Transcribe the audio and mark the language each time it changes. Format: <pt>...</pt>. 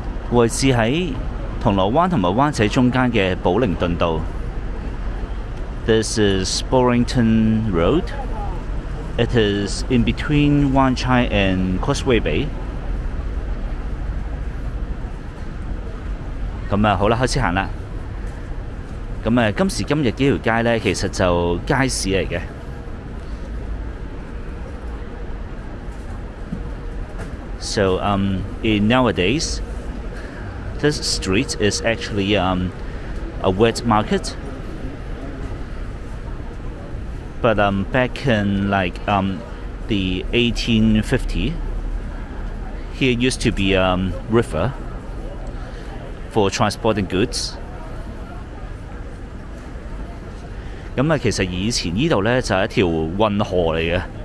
<yue>位置在铜锣湾和湾仔中间的寶靈頓道。</yue> <en>This is Bowrington Road. It is in between Wanchai and Causeway Bay.</en> <yue>咁啊，好啦，开始行啦。咁啊，今时今日呢条街咧，其实就街市嚟嘅。</yue> <en>So in nowadays, this street is actually a wet market. But back in like the 1850, here used to be a river for transporting goods.</en> <yue>咁啊，其實以前依度咧就係一條運河嚟嘅。</yue>